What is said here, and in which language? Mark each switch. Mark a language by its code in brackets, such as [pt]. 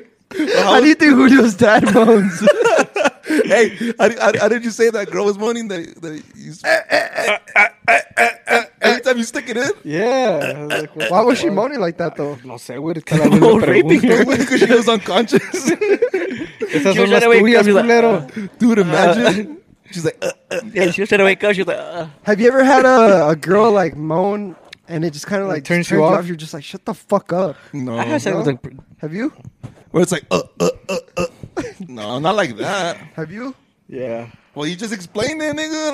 [en] Well, how do you think Julio's dad moans? Hey, how did you say that girl was moaning? That he's every time you stick it in? Yeah. Like, why was she moaning like that, though? [es] No sé, güey. Te la voy a preguntar. [en] Because she was unconscious. [es] Esas son las tuyas, culero. [en] Dude, imagine. She's like, Yeah, she was trying to wake up. She's like, Have you ever had a girl, like, moan and it just kind of, like, turns you off? You're just like, shut the fuck up. No. I have no? Like, have you? Where it's like, No, not like that. Have you? Yeah. Well, you just explained it, nigga.